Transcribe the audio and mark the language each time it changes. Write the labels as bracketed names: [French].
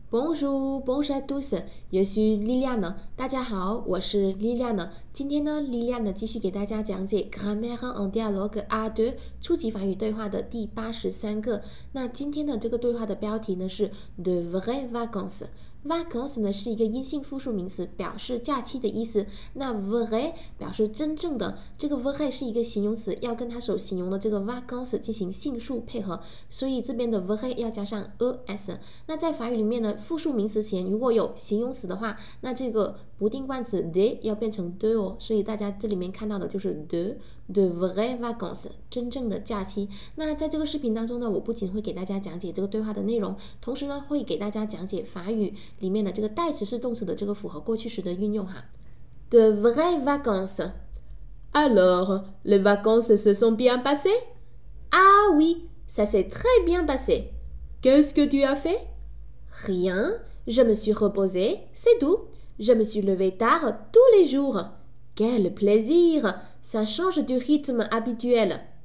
[French] Bonjour, bonjour à tous, je suis Liliane. [Chinese] 大家好，我是 Liliane。今天呢，Liliane 继续给大家讲解 [French] Grammaire en dialogue à deux [Chinese] 初级法语对话的第83个。那今天的这个对话的标题呢是 [French] De vraies vacances。 [Chinese] Vacances 呢是一个阴性复数名词，表示假期的意思。那 vrai 表示真正的，这个 vrai 是一个形容词，要跟它所形容的这个 vacances 进行性数配合，所以这边的 vrai 要加上 es。那在法语里面呢，复数名词前如果有形容词的话，那这个不定冠词 de 要变成 de 哦。所以大家这里面看到的就是 [French] de vrai vacances [Chinese] 真正的假期。那在这个视频当中呢，我不仅会给大家讲解这个对话的内容，同时呢会给大家讲解法语里面的这个代词是动词的这个复合过去时的运用哈。 [French] De vraies vacances. Alors, les vacances se sont bien passées? Ah oui, ça s'est très bien passé. Qu'est-ce que tu as fait? Rien, je me suis reposée, c'est tout. Je me suis levée tard tous les jours. Quel plaisir! Ça change du rythme habituel.